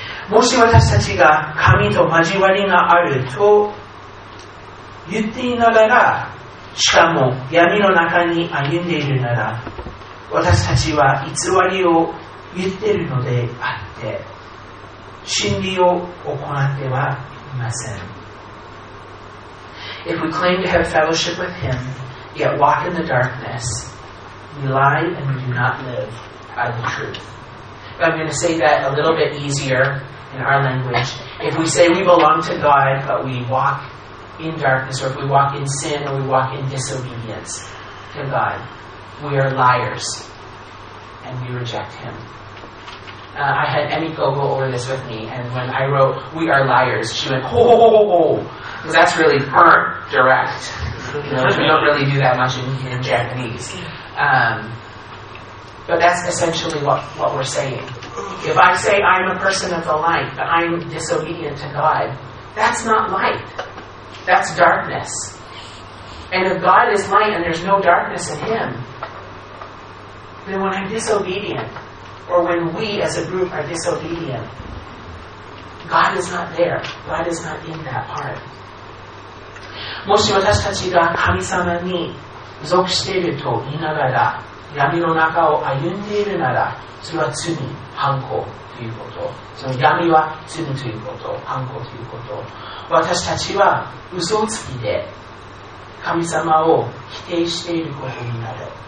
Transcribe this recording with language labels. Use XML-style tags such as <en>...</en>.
<ja>もし私たちが神と交わりがあると言っていながら、しかも闇の中に歩んでいるなら、私たちは偽りを言っているのであって、真理を行ってはいません。</ja> <en>If we claim to have fellowship with him yet walk in the darkness, we lie and we do not live by the truth. I'm going to say that a little bit easier in our language. If we say we belong to God but we walk in darkness, or if we walk in sin or we walk in disobedience to God, we are liars and we reject him. I had Emmy Gogol over this with me, and when I wrote we are liars, she went, ho ho ho ho ho, because that's really direct. You know, we don't really do that much in Japanese. But that's essentially what we're saying. If I say I'm a person of the light, but I'm disobedient to God, that's not light. That's darkness. And if God is light and there's no darkness in him, then when I'm disobedient, or when we as a group are disobedient, God is not there. God is not in that part.</en> <ja>もし私たちが神様に属していると言いながら、闇の中を歩んでいるなら、それは罪、犯行ということ。その闇は罪ということ、犯行ということ。私たちは嘘をつきで神様を否定していることになる。</ja>